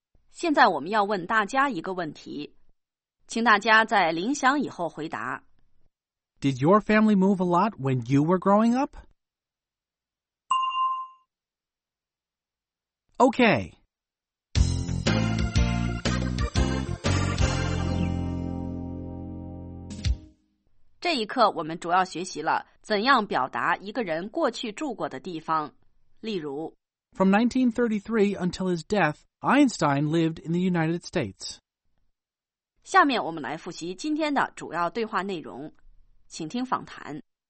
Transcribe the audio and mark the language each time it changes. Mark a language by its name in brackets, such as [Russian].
[Chinese] 现在我们要问大家一个问题，请大家在铃响以后回答。 [English] Did your family move a lot when you were growing up? Okay. [Chinese] 这一课我们主要学习了怎样表达一个人过去住过的地方，例如 [English] From 1933 until his death, Einstein lived in the United States. [Chinese] 下面我们来复习今天的主要对话内容，请听访谈。